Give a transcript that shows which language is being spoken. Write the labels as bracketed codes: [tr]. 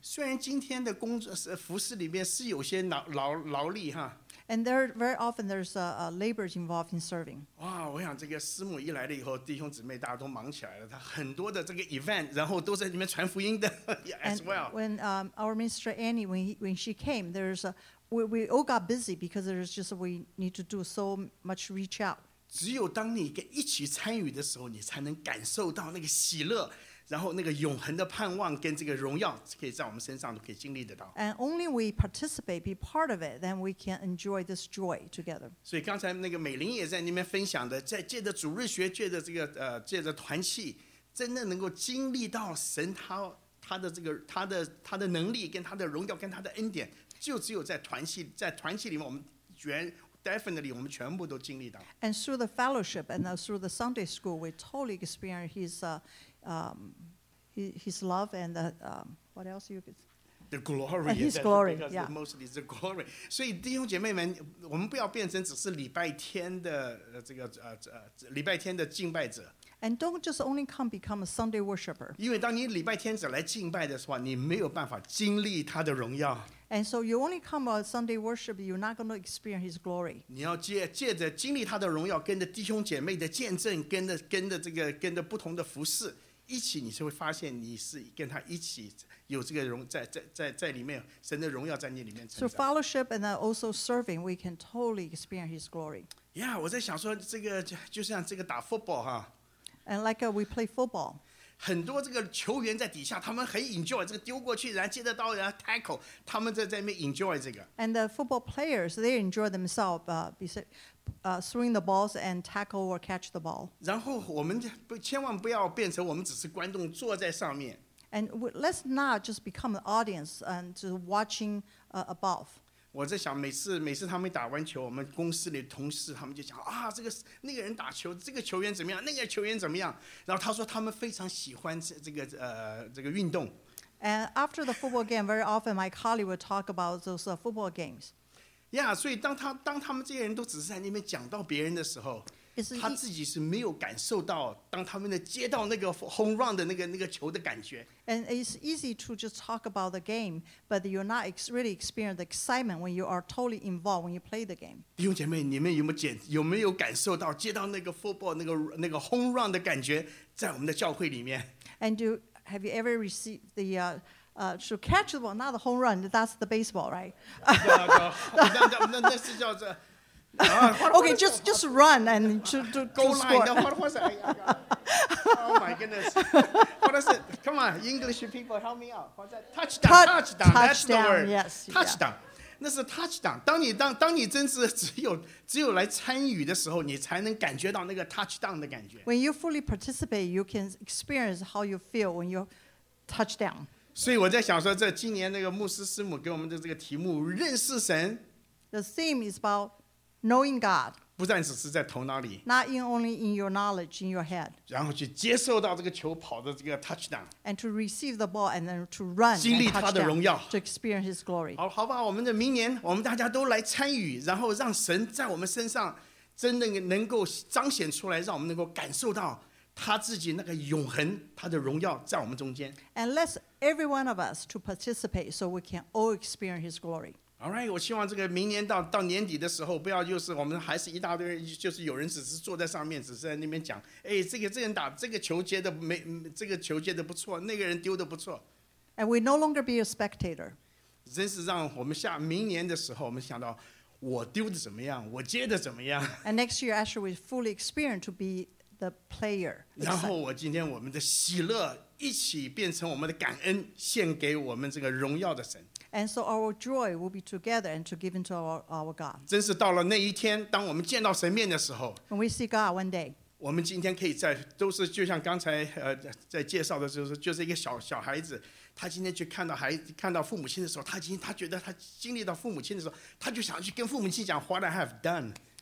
[zh] 虽然今天的工作服事里面是有些劳力哈。 [en] And there, very often there's labors involved in serving. [zh] Wow, 我想这个师母一来了以后，弟兄姊妹大家都忙起来了。他很多的这个 event， 然后都在里面传福音的 [en] as well. And when our minister Annie, when she came, there's we all got busy because there's just we need to do so much reach out. [zh] 只有当你跟一起参与的时候，你才能感受到那个喜乐。然后那个永恒的盼望跟这个荣耀可以在我们身上都可以经历得到。 [en] And only we participate, be part of it, then we can enjoy this joy together. [zh] 所以刚才那个美玲也在那边分享的，在借着主日学，借着这个借着团契，真的能够经历到神他的能力跟他的荣耀跟他的恩典，就只有在团契里面，我们全。 Definitely, 我们全部都经历到。 [en] And through the fellowship and through the Sunday school, we totally experience his love and the what else you could. The glory. His glory. Because yeah. Mostly the glory. [zh] 所以弟兄姐妹们，我们不要变成只是礼拜天的这个礼拜天的敬拜者。 [en] And don't just only come become a Sunday worshipper. [zh] 因为当你礼拜天只来敬拜的时候，你没有办法经历他的荣耀。 [en] And so you only come on Sunday worship, you're not going to experience His glory. [zh] 你要借着经历他的荣耀，跟着弟兄姐妹的见证，跟着不同的服事，一起你就会发现你是跟他一起有这个荣在里面，神的荣耀在你里面成 [en] 长。So fellowship and also serving, we can totally experience His glory. [zh] Yeah, 我在想说这个就像这个打 football 哈。 [en] And like we play football. [zh] 很多这个球员在底下，他们很 enjoy 这个丢过去，然后接得到，然后 tackle， 他们在那边 enjoy 这个。 [en] And the football players, they enjoy themselves, throwing the balls and tackle or catch the ball. [zh] 然后我们千万不要变成我们只是观众坐在上面。 [en] And let's not just become an audience and just watching above. [zh] 我在想每次他们打完球，我们公司里的同事他们就讲啊，这个那个人打球，这个球员怎么样，那个球员怎么样，然后他说他们非常喜欢这个运动。 [en] And after the football game, very often my colleague will talk about those football games. [zh] Yeah, 所以当他们这些人都只是在那边讲到别人的时候，他自己是没有感受到当他们的接到那个 home run 的那个球的感觉。 [en] And it's easy to just talk about the game, but you're not really experience the excitement when you are totally involved when you play the game. [zh] 弟兄姐妹，你们有没有感受到接到那个 football 那个 home run 的感觉在我们的教会里面 [en] ？And have you ever received the to catch the ball, not the home run? That's the baseball, right? [zh] No, 那是叫做。 [en] okay, just run and to go line. Score. What was it? Oh my goodness! What is it? Come on, English people, help me out. What's that? Touchdown. Touchdown. That's the word. Yes. Touchdown. That's touchdown. [zh] 当你真是只有来参与的时候，你才能感觉到那个 touchdown 的感觉。 [en] When you fully participate, you can experience how you feel when you touchdown. [zh] 所以我在想说，这今年那个牧师师母给我们的这个题目，认识神。 [en] The theme is about. Knowing God, [zh] 不但只是在头脑里 [en] not in only in your knowledge in your head, [zh] 然后去接受到这个球跑的这个 touchdown, [en] and to receive the ball and then to run, [zh] 经历他的荣耀 [en] to experience His glory. [zh] 好吧，我们的明年我们大家都来参与，然后让神在我们身上真的能够彰显出来，让我们能够感受到他自己那个永恒，他的荣耀在我们中间。 [en] And let every one of us to participate so we can all experience His glory. [zh] All right, 我希望这个明年到年底的时候，不要就是我们还是一大堆人，就是有人只是坐在上面，只是在那边讲，哎，这个人打这个球接的没，这个球接的不错，那个人丢的不错。 [en] And we no longer be a spectator. [zh] 真是让我们下明年的时候，我们想到我丢的怎么样，我接的怎么样。 [en] And next year, actually, we fully experience to be the player. [zh] 然后我今天我们的喜乐一起变成我们的感恩，献给我们这个荣耀的神。 [en] And so our joy will be together and to give into our God. [zh] 真是到了那一天，当我们见到神面的时候 [en] ，When we see God one day， [zh] 我们今天可以在都是就像刚才在介绍的时候，就是一个小孩子，他今天去看到父母亲的时候，他觉得他经历到父母亲的时候，他就想去跟父母亲讲 [en] What I have done。